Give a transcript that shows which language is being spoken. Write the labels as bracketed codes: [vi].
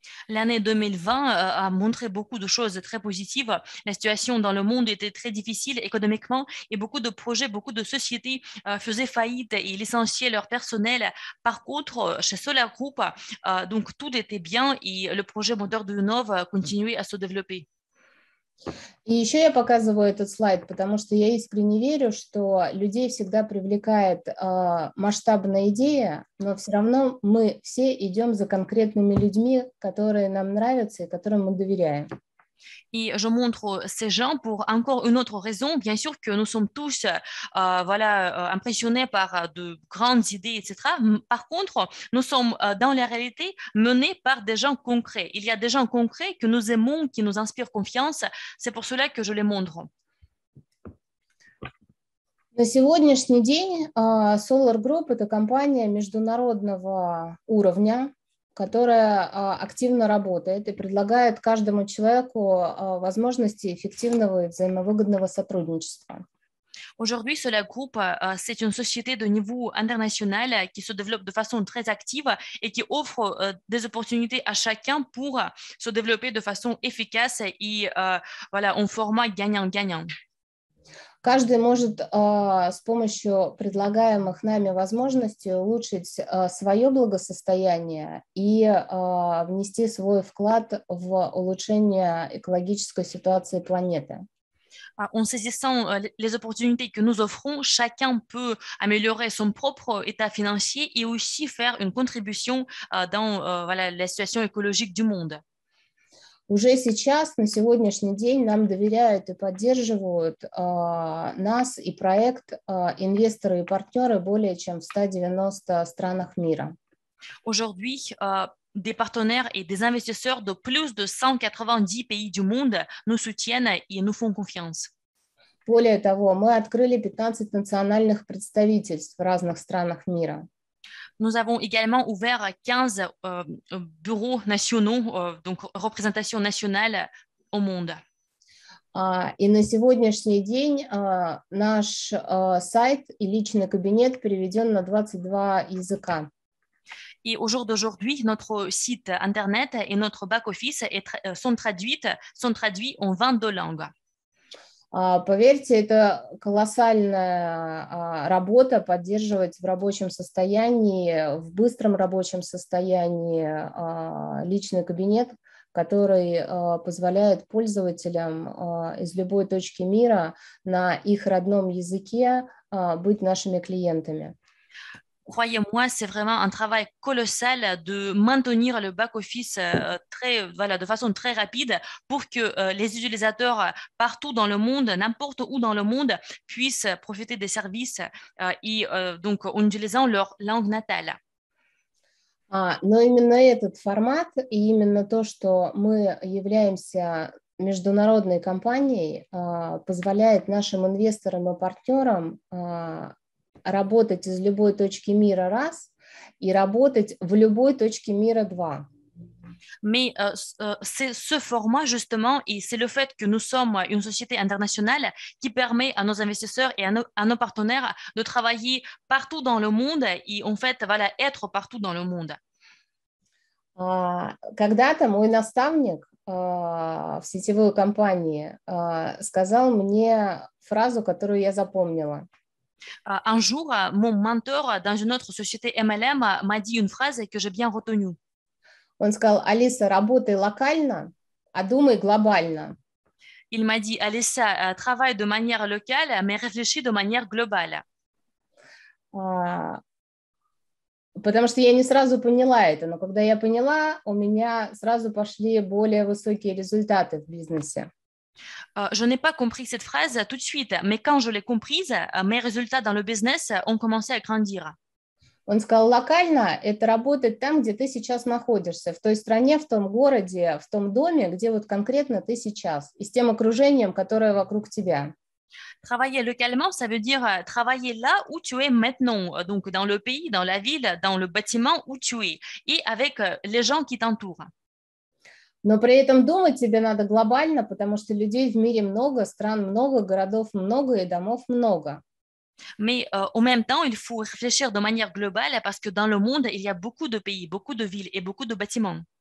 [fr] L'année 2020 a montré beaucoup de choses très positives. La situation dans le monde était très difficile économiquement et beaucoup de projets, beaucoup de sociétés faisaient faillite et licenciaient leur personnel. Par contre, chez Solar Group, donc tout était bien et le projet moteur de Nov continuait à se développer. [ru] И еще я показываю этот слайд, потому что я искренне верю, что людей всегда привлекает масштабная идея, но все равно мы все идем за конкретными людьми, которые нам нравятся и которым мы доверяем. [fr] Et je montre ces gens pour encore une autre raison. Bien sûr que nous sommes tous voilà, impressionnés par de grandes idées, etc. Par contre, nous sommes dans la réalité menés par des gens concrets. Il y a des gens concrets que nous aimons, qui nous inspirent confiance. C'est pour cela que je les montre. [ru] На сегодняшний день Solar Group – это компания международного уровня, которая активно работает и предлагает каждому человеку возможности эффективного и взаимовыгодного сотрудничества. [fr] Aujourd'hui, Solar Group, c'est une société de niveau international qui se développe de façon très active et qui offre des opportunités à chacun pour se développer de façon efficace et voilà, en format gagnant-gagnant. [ru] Каждый может с помощью предлагаемых нами возможностей улучшить свое благосостояние и внести свой вклад в улучшение экологической ситуации планеты. [fr] En saisissant les opportunités que nous offrons, chacun peut améliorer son propre état financier et aussi faire une contribution dans voilà, la situation écologique du monde. [ru] Уже сейчас, на сегодняшний день, нам доверяют и поддерживают нас и проект инвесторы и партнеры более чем в 190 странах мира. [fr] Aujourd'hui, des partenaires et des investisseurs de plus de 190 pays du monde nous soutiennent et nous font confiance. [ru] Более того, мы открыли 15 национальных представительств в разных странах мира. [fr] Nous avons également ouvert 15 bureaux nationaux, donc représentation nationale au monde. [ru] И на сегодняшний день наш сайт и личный кабинет переведен на 22 языка. [fr] Et au jour d'aujourd'hui, notre site internet et notre back office sont traduits en 22 langues. [ru] Поверьте, это колоссальная работа поддерживать в рабочем состоянии, в быстром рабочем состоянии личный кабинет, который позволяет пользователям из любой точки мира на их родном языке быть нашими клиентами. [fr] Croyez-moi, c'est vraiment un travail colossal de maintenir le back-office de façon très rapide pour que les utilisateurs partout dans le monde, n'importe où dans le monde, puissent profiter des services donc en utilisant leur langue natale. [ru] Но именно этот формат и именно то, что мы являемся международной компанией, позволяет нашим инвесторам и партнерам работать из любой точки мира раз и работать в любой точке мира два. [fr] Mais c'est ce format justement et c'est le fait que nous sommes une société internationale qui permet à nos investisseurs et à nos partenaires de travailler partout dans le monde et en fait voilà être partout dans le monde. [ru] Когда-то мой наставник в сетевой компании сказал мне фразу, которую я запомнила. [fr] Un jour, mon mentor dans une autre société MLM m'a dit une phrase que j'ai bien retenue. [ru] Он сказал: «Алиса, работай локально, а думай глобально». [fr] Il m'a dit: «Алиса, travaille de manière locale, mais réfléchis de manière globale». [ru] Потому что я не сразу поняла это, но когда я поняла, у меня сразу пошли более высокие результаты в бизнесе. [fr] Je n'ai pas compris cette phrase tout de suite, mais quand je l'ai comprise, mes résultats dans le business ont commencé à grandir. [ru] Он сказал: «Локально – это работать там, где ты сейчас находишься, в той стране, в том городе, в том доме, где вот конкретно ты сейчас, и с тем окружением, которое вокруг тебя». [fr] Travailler localement, ça veut dire travailler là où tu es maintenant, donc dans le pays, dans la ville, dans le bâtiment où tu es, et avec les gens qui t'entourent. [ru] Но при этом думать тебе надо глобально, потому что людей в мире много, стран много, городов много и домов много. [fr] Mais en même temps, il faut réfléchir de manière globale, parce que dans le monde, il y a beaucoup de pays, beaucoup de villes et beaucoup de bâtiments.